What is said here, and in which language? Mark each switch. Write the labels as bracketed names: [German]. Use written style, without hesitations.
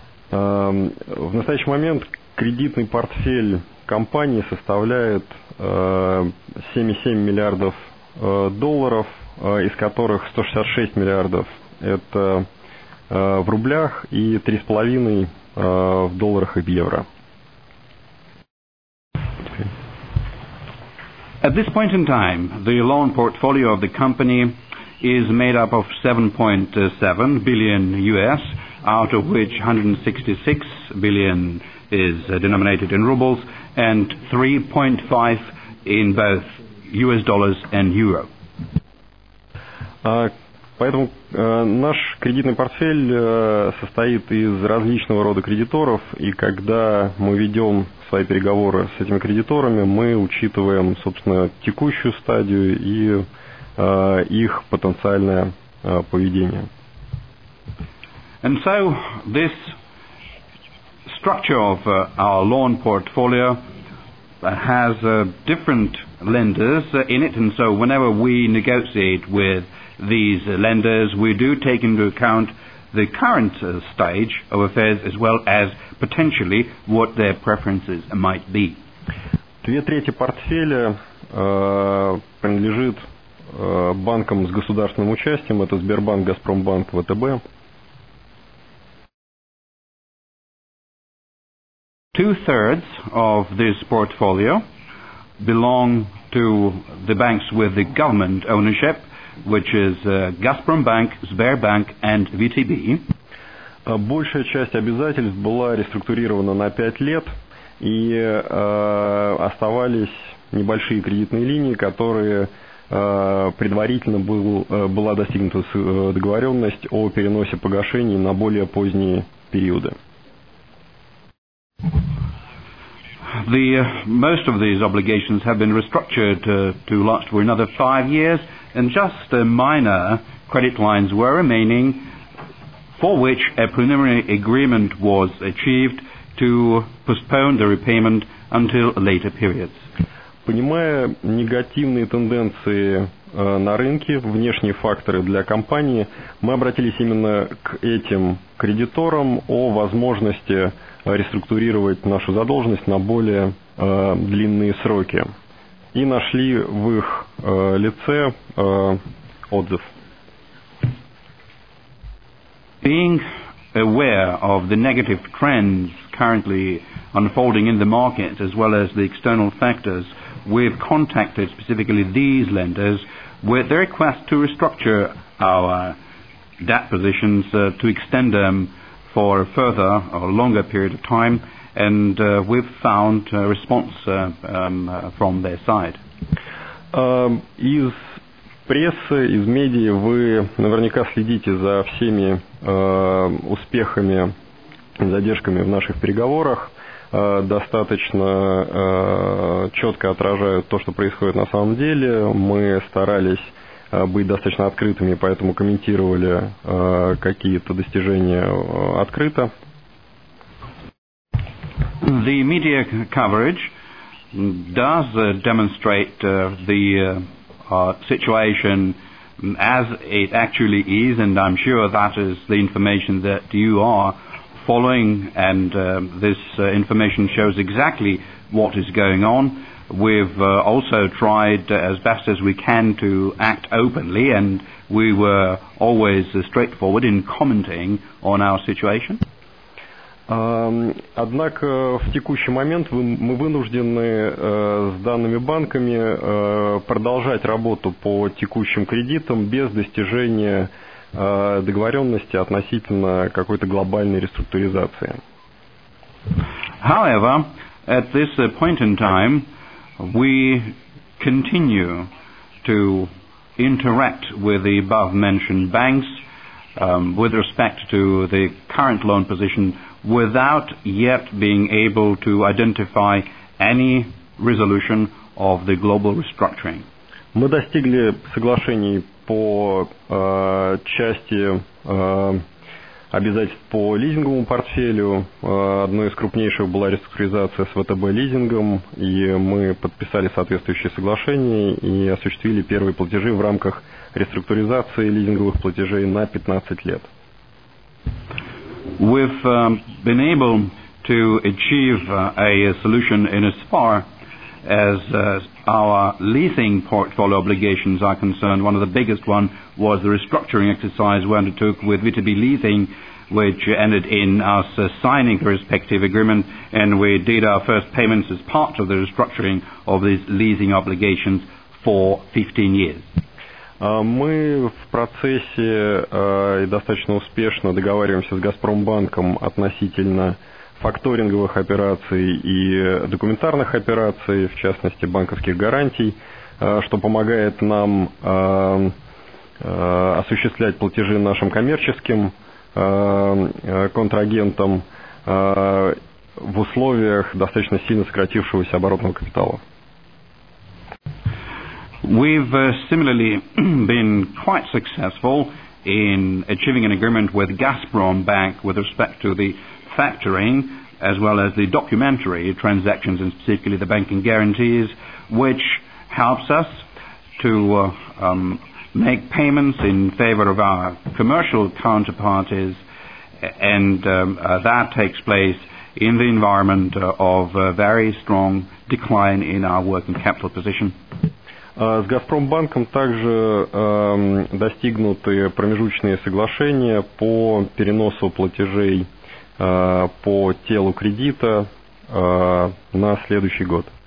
[Russian] В настоящий момент кредитный портфель компании составляет 7,7 миллиардов долларов, из которых 166 миллиардов это в рублях и 3,5 в долларах и в евро. [English] At this point in time, the loan portfolio of the company is made up of 7.7 billion US, out of which 166 billion is denominated in rubles, and 3.5 in both US dollars and euro. [Russian] Поэтому наш кредитный портфель состоит из различного рода кредиторов, и когда мы ведем свои переговоры с этими кредиторами, мы учитываем, собственно, текущую стадию и их потенциальное поведение. [English] And so this structure of our loan portfolio has different lenders in it, and so whenever we negotiate with these lenders, we do take into account the current stage of affairs as well as potentially what their preferences might be. [Russian] Две трети портфеля принадлежит банкам с государственным участием. Это Сбербанк, Газпромбанк, ВТБ. [English] Two-thirds of this portfolio belong to the banks with the government ownership, which is Gazprombank, Sberbank and VTB. [Russian] Большая часть обязательств была реструктурирована на 5 лет, и оставались небольшие кредитные линии, которые предварительно была достигнута договоренность о переносе погашений на более поздние периоды. [English] The most of these obligations have been restructured to last for another 5 years, and just minor credit lines were remaining, for which a preliminary agreement was achieved to postpone the repayment until later periods. [Russian] Понимая негативные тенденции на рынке, внешние факторы для компании, мы обратились именно к этим кредиторам о возможности реструктурировать нашу задолженность на более длинные сроки. И нашли в их лице отзыв. [English] Being aware of the negative trends currently unfolding in the market, as well as the external factors, we've contacted specifically these lenders with their request to restructure our debt positions to extend them for a further or longer period of time, and we've found a response from their side. [Russian] Из прессы, из медии вы наверняка следите за всеми успехами и задержками в наших переговорах. Достаточно четко отражают то, что происходит на самом деле. Мы старались быть достаточно открытыми, поэтому комментировали какие-то достижения открыто. [English] The media coverage does demonstrate the situation as it actually is, and I'm sure that is the information that you are following, and this information shows exactly what is going on. We've also tried as best as we can to act openly, and we were always straightforward in commenting on our situation. [Russian] Однако в текущий момент мы вынуждены с данными банками продолжать работу по текущим кредитам без достижения договоренности относительно какой-то глобальной реструктуризации. [English] However, at this point in time, we continue to interact with the above-mentioned banks with respect to the current loan position without yet being able to identify any resolution of the global restructuring. [Russian] Мы достигли соглашений по части обязательств по лизинговому портфелю. Одной из крупнейших была реструктуризация с ВТБ лизингом, и мы подписали соответствующие соглашения и осуществили первые платежи в рамках реструктуризации лизинговых платежей на 15 лет. [English] We've been able to achieve a solution in as far as our leasing portfolio obligations are concerned. One of the biggest one was the restructuring exercise we undertook with VTB Leasing, which ended in us signing the respective agreement, and we did our first payments as part of the restructuring of these leasing obligations for 15 years. [Russian] Мы в процессе и достаточно успешно договариваемся с Газпромбанком относительно факторинговых операций и документарных операций, в частности банковских гарантий, что помогает нам осуществлять платежи нашим коммерческим контрагентам в условиях достаточно сильно сократившегося оборотного капитала. [English] We've similarly been quite successful in achieving an agreement with Gazprom Bank with respect to the factoring as well as the documentary transactions, and specifically the banking guarantees, which helps us to make payments in favor of our commercial counterparties, and that takes place in the environment of a very strong decline in our working capital position. [Russian] С Газпромбанком также достигнуты промежуточные соглашения по переносу платежей по телу кредита на следующий год.